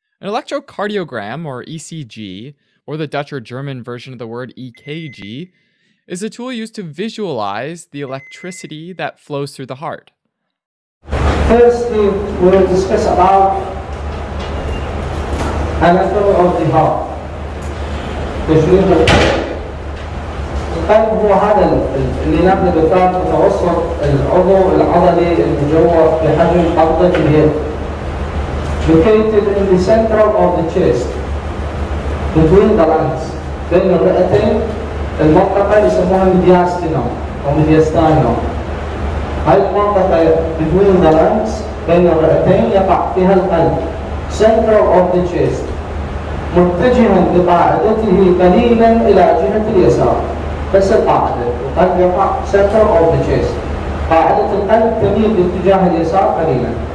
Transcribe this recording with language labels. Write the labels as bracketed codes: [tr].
[en] An electrocardiogram, or ECG, or the Dutch or German version of the word EKG, is a tool used to visualize the electricity that flows through the heart. Firstly, we'll discuss about anatomy of the heart. [ar] The القلب هو عدد اللي نبني بتاعه متوسط العضو العضلي اللي جوه في حجم قبضة اليد. [en] Located in the center of the chest, between the lungs, [ar] بين الرئتين, المنطقة اللي يسموها الميدياستينوم أو الميدياستينوم. هاي المنطقة [en] between the lungs, [ar] بين الرئتين يقع فيها القلب. [en] Center of the chest, [ar] متجها بقاعدته قليلا إلى جهة اليسار. بس القاعدة القلب يقع [en] center of the chest. [ar] قاعدة القلب تميل باتجاه اليسار قليلا.